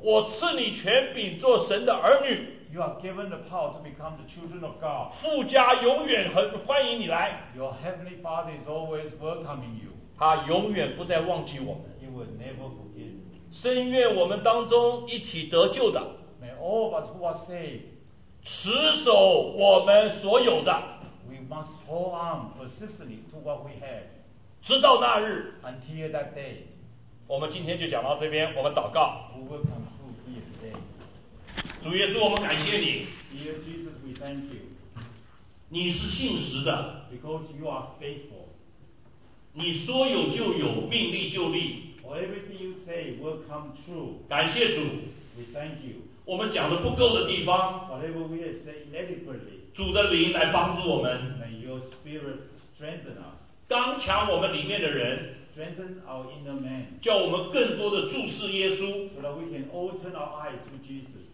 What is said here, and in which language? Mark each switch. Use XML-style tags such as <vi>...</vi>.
<zh>我赐你权柄做神的儿女</zh> <en>You are given the power to become the children of God</en> <zh>父家永远很欢迎你来</zh> <en>Your heavenly father is always welcoming you</en> <zh>他永远不再忘记我们</zh> <en>He will never forget you</en> <zh>深愿我们当中一起得救的</zh> <en>May all of us who are saved</en> <zh>持守我们所有的</zh> <en>Must hold on persistently to what we have.</en> <zh>直到那日</zh> <en>Until that day.</en> <zh>我们今天就讲到这边，我们祷告。</zh> <en>We will conclude here today.</en> <zh>主耶稣，我们感谢你。</zh> <en>Dear Jesus, we thank you.</en> <zh>你是信实的。</zh> <en>Because you are faithful.</en> <zh>你说有就有，命立就立。</zh> <en>For everything you say will come true.</en> <zh>感谢主。</zh> <en>We thank you.</en> <zh>我们讲的不够的地方。</zh> <en>Whatever we have said inadequately.</en> <zh>主的灵来帮助我们</zh> <en>May your spirit strengthen us.</en> <zh>刚强我们里面的人。</zh> <en>Strengthen our inner man.</en> <zh>叫我们更多的注视耶稣。</zh> <en>So that we can all turn our eye to Jesus.</en>